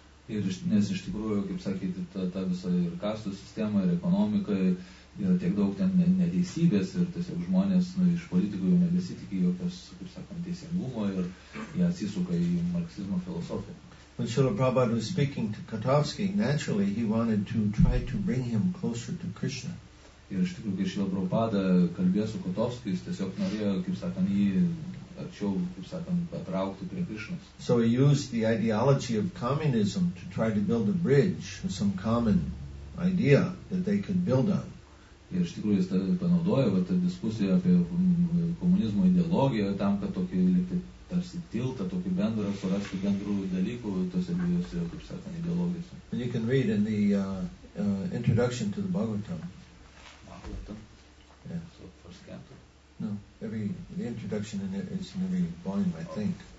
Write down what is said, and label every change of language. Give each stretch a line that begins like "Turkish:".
Lithuanian: Ir nes iš tikrųjų, kaip sakyti, ta visa ir kastų sistema, ir ekonomika, yra tiek daug ten neteisybės, ir tiesiog žmonės nu, iš politikų jau nebesitikė jokios, kaip sakant, teisingumo, ir jie atsisuka į marksizmo filosofiją.
English: When Srila Prabhupada was speaking to Katovsky, naturally he wanted to try to bring him closer to Krishna.
Lithuanian: Ir iš tikrųjų, kai Srila Prabhupada kalbėjo su Katovsky, jis tiesiog norėjo, kaip sakant, jį atšiau, kaip sakant, patraukti prie Krishnos.
English: So he used the ideology of communism to try to build a bridge with some common idea that they could build on.
Lithuanian: Ir iš tikrųjų jis panaudojo tą diskusiją apie komunizmo ideologiją tam, kad tokį tarsi tiltą, tokį bendrą surasti bendrų dalykų tose dviejose, kaip sakant, ideologijose.
English: And you can read in the introduction to the Bhagavatam. Bhagavatam? Yeah. So first canto. No, the introduction in it is in every volume, I think.